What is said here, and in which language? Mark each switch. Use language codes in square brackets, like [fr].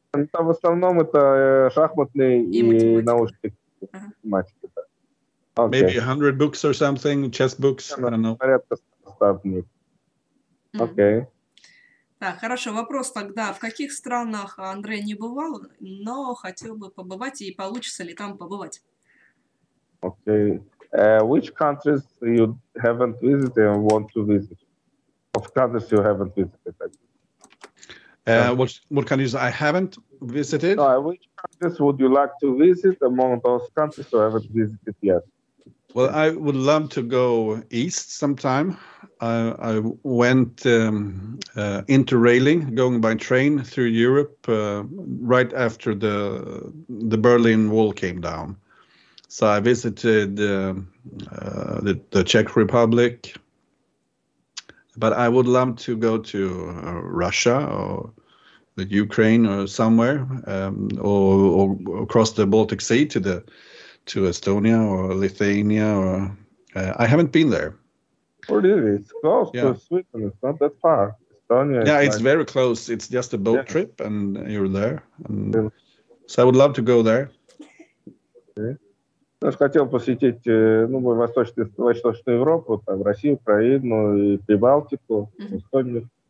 [ru] Там в основном это шахматные и научные математики. [en] Okay. Maybe 100 books or something, chess books. I don't know. [ru] Порядка 100 книг. Okay. Так, хорошо, вопрос тогда. В каких странах Андре не бывал, но хотел бы побывать, и получится ли там побывать? [en] Okay. Which countries you haven't visited and want to visit? Of countries you haven't visited. What countries I haven't visited? Which countries would you like to visit among those countries you haven't visited yet? Well, I would love to go east sometime. I went interrailing, going by train through Europe right after the Berlin Wall came down. So I visited the Czech Republic. But I would love to go to Russia or the Ukraine or somewhere, or across the Baltic Sea to Estonia or Lithuania. Or I haven't been there. Where is it? It's close to Sweden. It's not that far. Estonia. Yeah, it's like... very close. It's just a boat trip, and you're there. And so I would love to go there. [ru] Я же хотел посетить, ну, восточную Европу, там Россию, Украину и Прибалтику, Эстонию.